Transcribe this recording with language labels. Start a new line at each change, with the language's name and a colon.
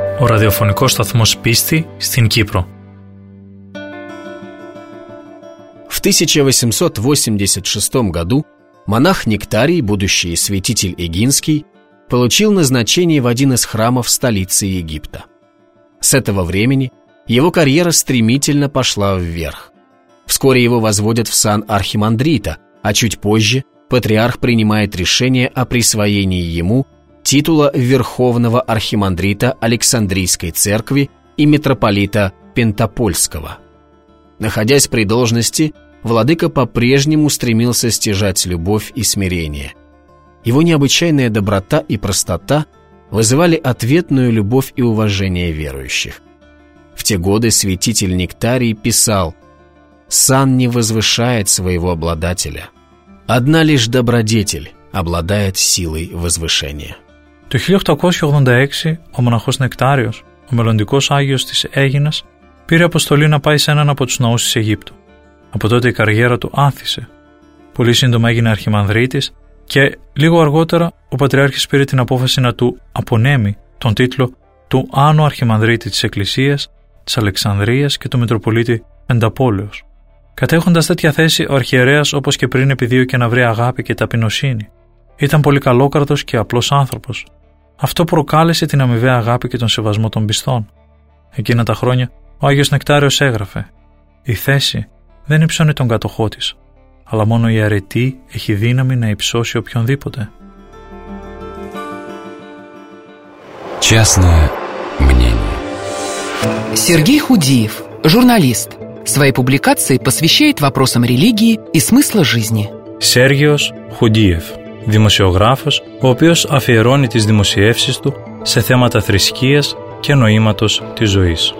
Greek: Ο ραδιοφωνικός σταθμός πίστη στην Κύπρο.
Russian: В 1886 году монах Нектарий, будущий святитель Игинский, получил назначение в один из храмов столицы Египта. С этого времени его карьера стремительно пошла вверх. Вскоре его возводят в сан архимандрита, а чуть позже патриарх принимает решение о присвоении ему титула Верховного Архимандрита Александрийской Церкви и митрополита Пентапольского. Находясь при должности, владыка по-прежнему стремился стяжать любовь и смирение. Его необычайная доброта и простота вызывали ответную любовь и уважение верующих. В те годы святитель Нектарий писал: «Сан не возвышает своего обладателя. Одна лишь добродетель обладает силой возвышения».
Greek: Το 1886 ο μοναχός Νεκτάριος, ο μελλοντικός Άγιος της Αίγινας, πήρε αποστολή να πάει σε έναν από τους ναούς της Αιγύπτου. Από τότε η καριέρα του άθησε. Πολύ σύντομα έγινε αρχιμανδρίτης και λίγο αργότερα ο Πατριάρχης πήρε την απόφαση να του απονέμει τον τίτλο του Άνω Αρχιμανδρίτη της Εκκλησίας, της Αλεξανδρίας και του Μητροπολίτη Πενταπόλεως. Κατέχοντας τέτοια θέση, ο αρχιερέας, όπως και πριν, επιδίωκε να βρει αγάπη και ταπεινοσύνη. Ήταν πολύ καλόκαρδος και απλός άνθρωπος. Αυτό προκάλεσε την αμοιβαία αγάπη και τον σεβασμό των πιστών. Εκείνα τα χρόνια ο Άγιος Νεκτάριος έγραφε: «Η θέση δεν υψώνει τον κατοχό της, αλλά μόνο η αρετή έχει δύναμη να υψώσει οποιονδήποτε».
Russian: Частное мнение. Сергей Худиев, журналист. Свои публикации посвящает вопросам религии и смысла жизни. Сергиос Худиев.
Greek: δημοσιογράφος, ο οποίος αφιερώνει τις δημοσιεύσεις του σε θέματα θρησκείας και νοήματος της ζωής.